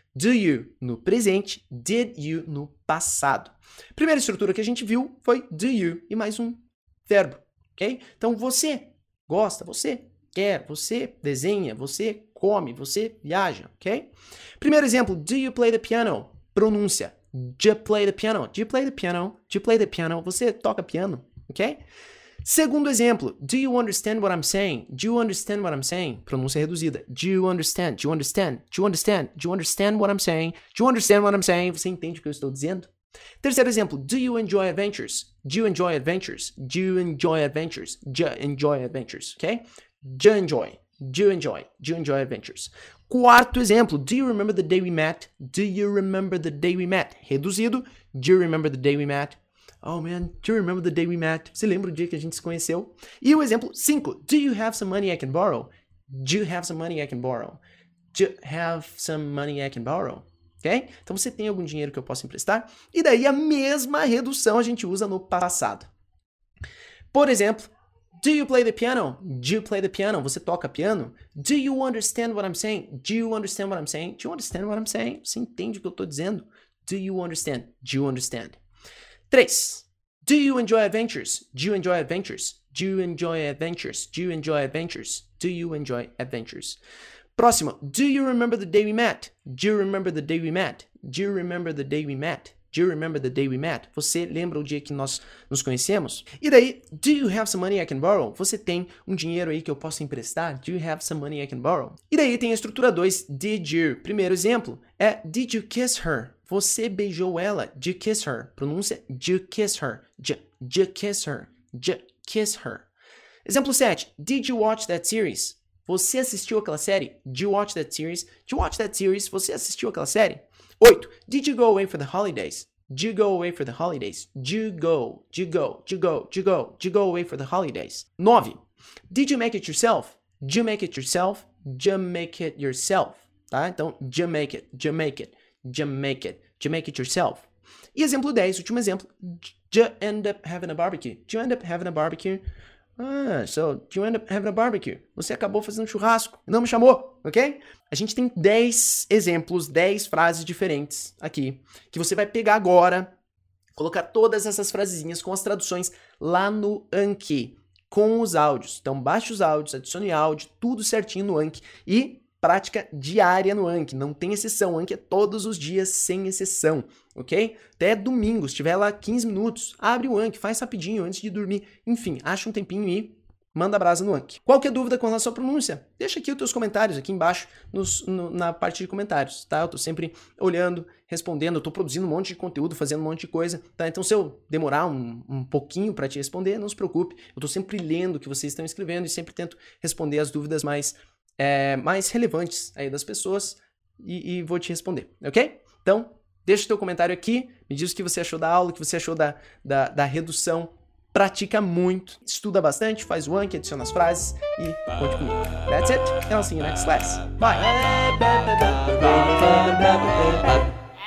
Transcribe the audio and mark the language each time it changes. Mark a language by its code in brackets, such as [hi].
[en] Do you [pt] no presente, [en] did you [pt] no passado. Primeira estrutura que a gente viu foi [en] do you [pt] e mais um verbo, ok? Então você gosta, você quer, você desenha, você come, você viaja, ok? Primeiro exemplo, [en] do you play the piano? [pt] Pronúncia, [en] do you play the piano? Do you play the piano? Do you play the piano? [pt] Você toca piano, ok? Segundo exemplo, [en] do you understand what I'm saying? Do you understand what I'm saying? [pt] Pronúncia reduzida. [en] Do you understand? Do you understand? Do you understand? Do you understand what I'm saying? Do you understand what I'm saying? [pt] Você entende o que eu estou dizendo? Terceiro exemplo, [en] do you enjoy adventures? Do you enjoy adventures? Do you enjoy adventures? Do you enjoy adventures? Ok? Do you enjoy adventures? [pt] Quarto exemplo, [en] do you remember the day we met? Do you remember the day we met? [pt] Reduzido, [en] do you remember the day we met? Oh man, do you remember the day we met? [pt] Você lembra o dia que a gente se conheceu? E o exemplo 5. [en] Do you have some money I can borrow? Do you have some money I can borrow? Do you have some money I can borrow? Ok? [pt] Então você tem algum dinheiro que eu possa emprestar? E daí a mesma redução a gente usa no passado. Por exemplo, [en] do you play the piano? Do you play the piano? [pt] Você toca piano? [en] Do you understand what I'm saying? Do you understand what I'm saying? Do you understand what I'm saying? [pt] Você entende o que eu estou dizendo? [en] Do you understand? Do you understand? [pt] 3. [en] Do you enjoy adventures? Do you enjoy adventures? Do you enjoy adventures? Do you enjoy adventures? Do you enjoy adventures? [pt] Próximo. [en] Do you remember the day we met? Do you remember the day we met? Do you remember the day we met? Do you remember the day we met? [pt] Você lembra o dia que nós nos conhecemos? E daí, [en] do you have some money I can borrow? [pt] Você tem um dinheiro aí que eu posso emprestar? [en] Do you have some money I can borrow? [pt] E daí tem a estrutura 2, [en] did you. [pt] Primeiro exemplo é [en] did you kiss her? [pt] Você beijou ela? [en] Did you kiss her? [pt] Pronúncia, [en] did you kiss her? Did you De kiss her. De kiss her. [pt] Exemplo 7. [en] Did you watch that series? [pt] Você assistiu aquela série? [en] Did you watch that series? Did you watch that series? [pt] Você assistiu aquela série? [en] 8. Did you go away for the holidays? Did you go away for the holidays? Did you go? Did you go? Did you go? Did you go? Did you go away for the holidays? 9. Did you make it yourself? Did you make it yourself? Did you make it yourself? Tá? [pt] Então, [en] did you make it? Did you make it? Did you make it? Did you make it yourself? [pt] E exemplo 10, último exemplo. [en] Did you end up having a barbecue? Did you end up having a barbecue? Ah, so, did you end up having a barbecue? [pt] Você acabou fazendo churrasco. Não me chamou, ok? A gente tem 10 exemplos, 10 frases diferentes aqui, que você vai pegar agora, colocar todas essas frasezinhas com as traduções lá no Anki, com os áudios. Então, baixe os áudios, adicione áudio, tudo certinho no Anki e prática diária no Anki. Não tem exceção, Anki é todos os dias sem exceção, ok? Até domingo, se tiver lá 15 minutos, abre o Anki, faz rapidinho antes de dormir. Enfim, acha um tempinho e manda brasa no Anki. Qualquer dúvida com relação à pronúncia, deixa aqui os teus comentários aqui embaixo na parte de comentários, tá? Eu tô sempre olhando, respondendo, eu tô produzindo um monte de conteúdo, fazendo um monte de coisa, tá? Então se eu demorar um pouquinho pra te responder, não se preocupe, eu tô sempre lendo o que vocês estão escrevendo e sempre tento responder as dúvidas mais relevantes aí das pessoas e vou te responder, ok? Então, deixa o teu comentário aqui, me diz o que você achou da aula, o que você achou da redução, pratica muito, estuda bastante, faz o Anki, adiciona as frases e conte comigo. [en] That's it, and I'll see you next class. Bye!